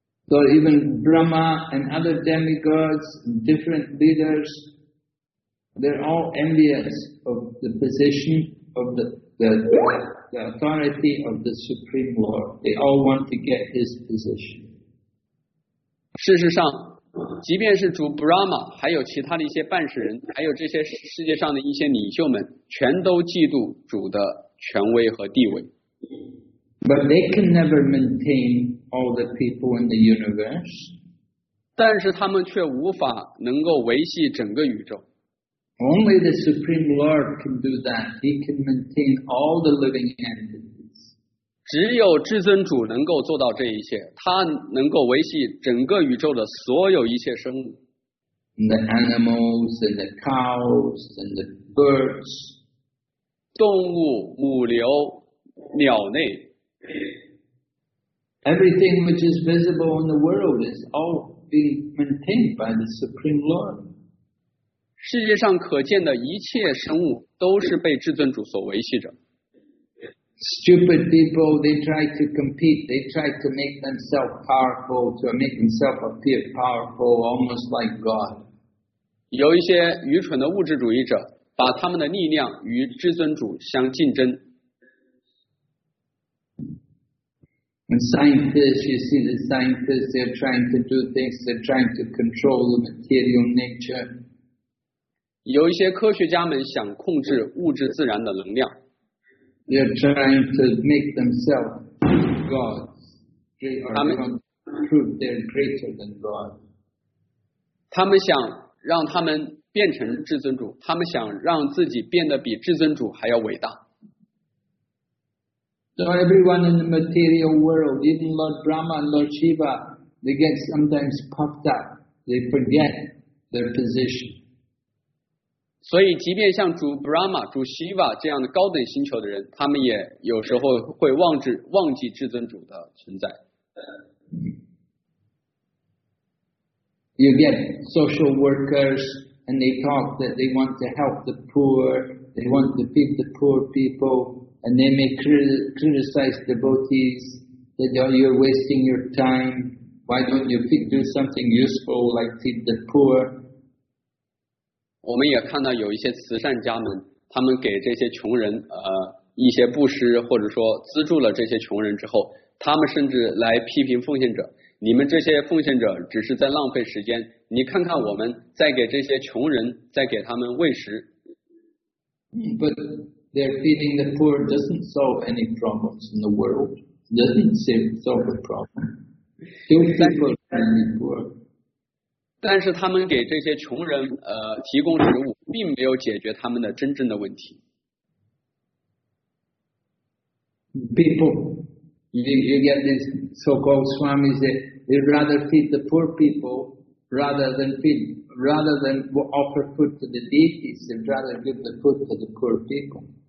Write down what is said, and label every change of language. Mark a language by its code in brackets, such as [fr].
[en] So even Brahma and other demigods, different leaders, they're all envious of the position of the authority of the Supreme Lord. They all want to get his position. [zh] 事实上，即便是主 Brahma， 还有其他的一些办事人，还有这些世界上的一些领袖们，全都嫉妒主的权威和地位。 [en] But they can never maintain all the people in the universe. [zh] 但是他们却无法能够维系整个宇宙。 [en] Only the Supreme Lord can do that. He can maintain all the living entities. [zh] 只有至尊主能够做到这一切，他能够维系整个宇宙的所有一切生物。 [en] The animals and the cows and the birds. [zh] 动物、母牛、鸟类。 [en] Everything which is visible in the world is all being maintained by the Supreme Lord. [zh] 世界上可见的一切生物都是被至尊主所维系着。 [en] Stupid people, they try to compete. They try to make themselves powerful, to make themselves appear powerful, almost like God. [zh] 有一些愚蠢的物质主义者把他们的力量与至尊主相竞争。 [en] And scientists, you see the scientists, they're trying to do things, they're trying to control the material nature. [zh] 有一些科学家们想控制物质自然的能量。 [en] They're trying to make themselves gods. They prove they're greater than God. [zh] 他们想让他们变成至尊主，他们想让自己变得比至尊主还要伟大。 [en] So everyone in the material world, even Lord Brahma and Lord Shiva, they get sometimes puffed up. They forget their position. [zh] 所以即便像主 Brahma、主 Shiva 这样的高等星球的人，他们也有时候会忘记至尊主的存在。 [en] You get social workers and they talk that they want to help the poor, they want to feed the poor people, and they may criticize devotees that you're wasting your time. Why don't you do something useful like feed the poor? [zh] 我们也看到有一些慈善家们，他们给这些穷人一些布施，或者说资助了这些穷人之后，他们甚至来批评奉献者，你们这些奉献者只是在浪费时间，你看看我们在给这些穷人在给他们喂食。 [en] But their feeding the poor doesn't solve any problems in the world, doesn't seem to solve the problem. Still people feeding the poor. [zh] 但是他们给这些穷人提供食物，并没有解决他们的真正的问题。 [en] People, you get these so-called swamis that they'd rather feed the poor people rather than offer food to the deities, they'd rather give the food to the poor people.